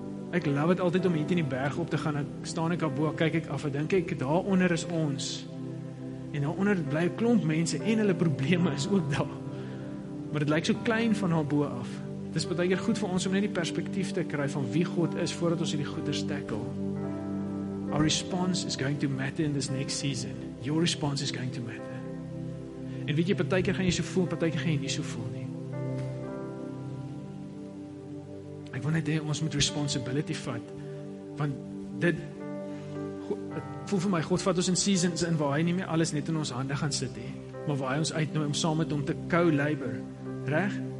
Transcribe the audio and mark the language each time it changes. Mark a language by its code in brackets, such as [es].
[af] Ek love dit altyd om hier in die berg op te gaan. Ek staan ek daarbo, kyk ek af en dink ek daaronder is ons. En nou onder bly 'n klomp mense en hulle probleme is ook daar. Maar dit lyk so klein van haar bo af. Dis baie keer goed vir ons om net die perspektief te kry van wie God is voordat ons hierdie goeie tackle. [en] Our response is going to matter in this next season. Your response is going to matter. [af] En weet jy, partykeer gaan jy so voel, partykeer gaan jy nie so voel nie. Ek wil net hê ons moet responsibility vat, want dit voel vir my, God vat ons in seasons in waar hy nie meer alles net in ons hande gaan sit nie, maar waar hy ons uitnooi om saam met hom te co-labor. Reg?